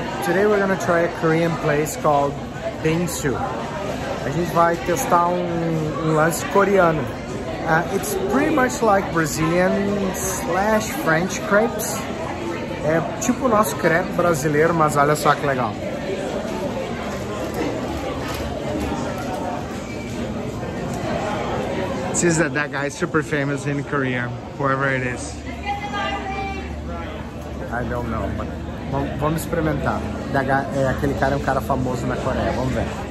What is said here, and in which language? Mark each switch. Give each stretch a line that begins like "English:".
English: Today we're gonna try a Korean place called Bingsu.
Portuguese: A gente vai testar um lanche coreano.
English: It's pretty much like Brazilian slash French crepes.
Portuguese: É tipo o nosso crepe brasileiro, mas olha só que legal.
English: This is that guy super famous in Korea, whoever it is. I don't know, but
Portuguese: vamos experimentar. Aquele cara é um cara famoso na Coreia, vamos ver.